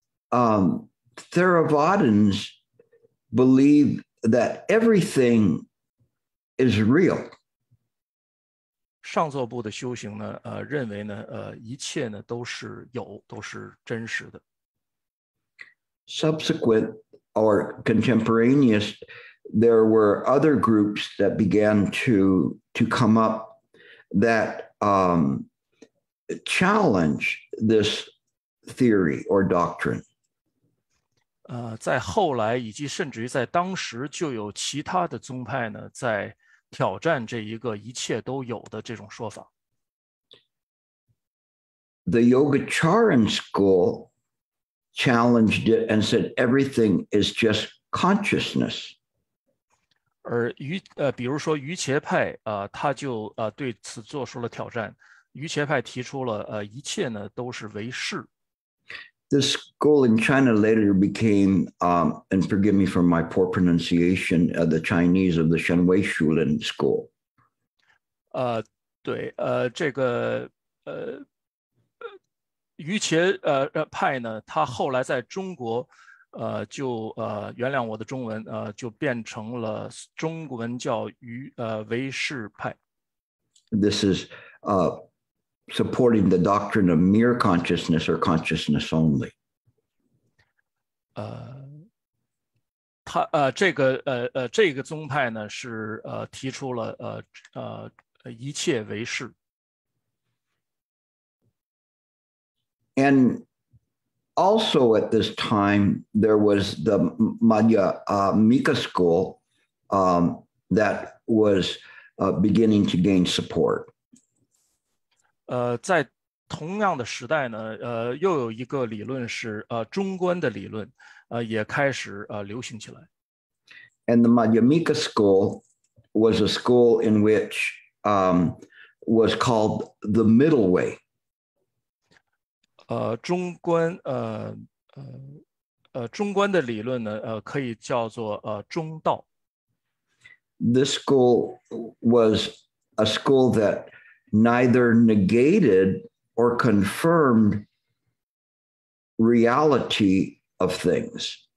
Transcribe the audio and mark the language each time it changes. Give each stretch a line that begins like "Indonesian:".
English: Theravadins believe that everything is real.
Chinese: 上座部的修行呢，认为呢，一切呢都是有，都是真实的。
English: Subsequent or contemporaneous, there were other groups that began to come up that challenge this theory or doctrine.
Chinese: 在后来以及甚至于在当时就有其他的宗派呢在挑战这一个一切都有的这种说法。
English: The Yogacharan school challenged it and said everything is just consciousness.
Chinese: 而于比如说于伽派他就对此做出了挑战。于伽派提出了一切呢都是唯识。
English: This school in China later became, and forgive me for my poor pronunciation, the Chinese of the Shenwei Shulin school.
Chinese: 对，这个于伽派呢，他后来在中国，就原谅我的中文，就变成了中文叫于唯识派。
English: This is, supporting the doctrine of mere consciousness or consciousness only.
Chinese: 这个宗派呢是提出了一切唯识。
English: And also at this time there was the Madhya Mika school that was beginning to gain support.
Chinese: 在同样的时代呢，又有一个理论是中观的理论，也开始流行起来。
English: And the Madhyamika school was a school in which was called the middle way.
Chinese: 中观的理论呢，可以叫做中道。
English: This school was a school that neither negated or confirmed reality of things.